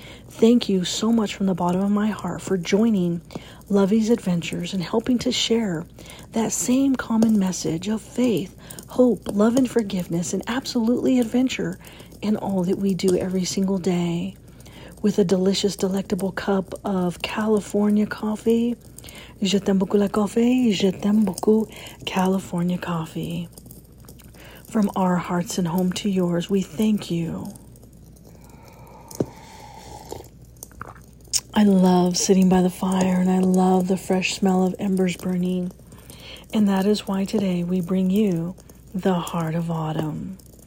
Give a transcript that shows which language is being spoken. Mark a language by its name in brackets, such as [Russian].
[English] Thank you so much from the bottom of my heart for joining Lovey's Adventures and helping to share that same common message of faith, hope, love, and forgiveness, and absolutely adventure in all that we do every single day. With a delicious, delectable cup of California coffee. [French] Je t'aime beaucoup la coffee, je t'aime beaucoup California coffee. [English] From our hearts and home to yours, we thank you. I love sitting by the fire and I love the fresh smell of embers burning. And that is why today we bring you the Heart of Autumn.